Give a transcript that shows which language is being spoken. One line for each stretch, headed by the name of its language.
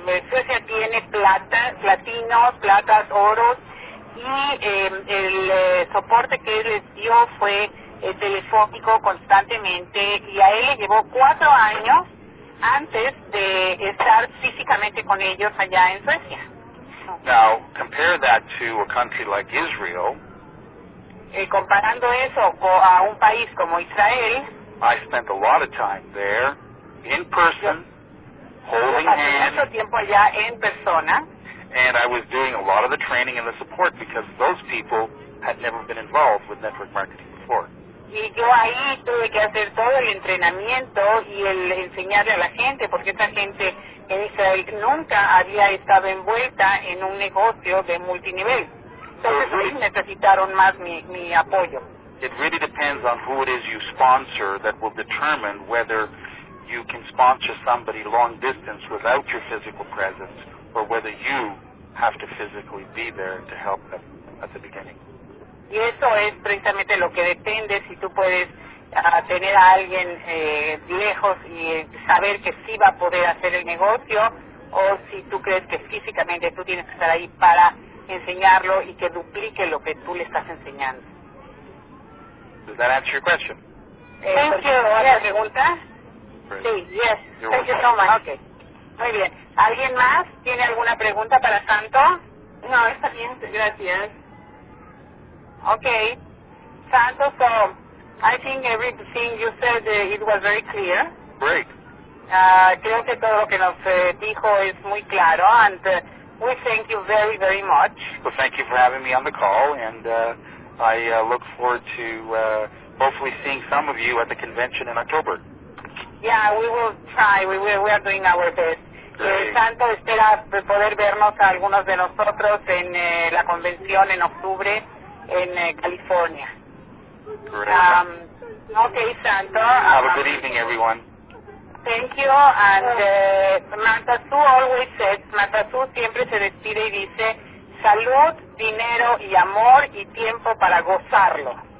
Spanish: Suecia tiene plata, platinos, platas, oros, y el soporte que él les dio fue telefónico constantemente, y a él le llevó 4 años antes de estar físicamente con ellos allá en Suecia.
English: Now, compare that to a country like Israel.
Spanish: Comparando eso a un país como Israel,
English: I spent a lot of time there, in person, holding hands.
Spanish: Pasé mucho tiempo allá en persona.
English: And I was doing a lot of the training and the support because those people had never been involved with network marketing before.
Spanish: Y yo ahí tuve que hacer todo el entrenamiento y el enseñarle a la gente, porque esa gente en Israel nunca había estado envuelta en un negocio de multinivel. Entonces ahí necesitaron más mi apoyo.
English: It really depends on who it is you sponsor that will determine whether you can sponsor somebody long distance without your physical presence or whether you have to physically be there to help them at the beginning.
Spanish: Y eso es precisamente lo que depende, si tú puedes tener a alguien lejos y saber que sí va a poder hacer el negocio, o si tú crees que físicamente tú tienes que estar ahí para enseñarlo y que duplique lo que tú le estás enseñando.
English: Does that answer your question? Thank you.
Spanish: ¿Otra pregunta? Sí,
English: yes. You're Thank welcome. You so much.
Spanish: Okay. Muy bien. ¿Alguien más tiene alguna pregunta para Santo? No, está bien. Gracias.
English: Okay. Santo, so I think everything you said, it was very clear. Great.
Spanish: Creo que todo lo que nos dijo es muy claro,
English: and we thank you very, very much. Well, thank you for having me on the call, and I look forward to hopefully seeing some of you at the convention in October. Yeah, we will try. We are doing our best.
Spanish: Santo espera poder vernos a algunos de nosotros en la convención en octubre en California.
English: Great. Okay, Santo. Have a good evening, everyone. Thank you. And Matasu always says,
Spanish: Matasu siempre se despide y dice, salud, dinero y amor y tiempo para gozarlo.